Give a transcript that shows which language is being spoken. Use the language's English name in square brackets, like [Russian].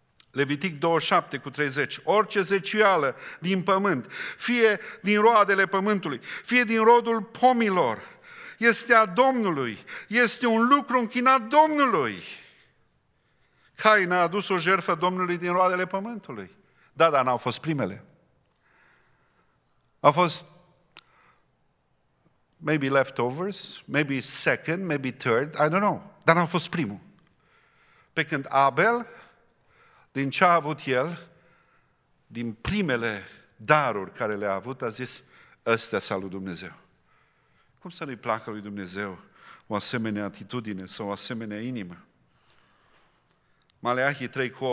[Romanian] Levitic 27:30. Orice zecială din pământ, fie din roadele pământului, fie din rodul pomilor, este a Domnului, este un lucru închinat Domnului. Cain a adus o jertfă Domnului din roadele pământului. Da, dar n-au fost primele. Au fost [English] maybe leftovers, maybe second, maybe third, I don't know. [Romanian] Dar am fost primul. Pe când Abel, din ce a avut el, din primele daruri care le-a avut, a zis, ăsta s-a lui Dumnezeu. Cum să nu-i placă lui Dumnezeu o asemenea atitudine sau o asemenea inimă? Maleahii 3:8.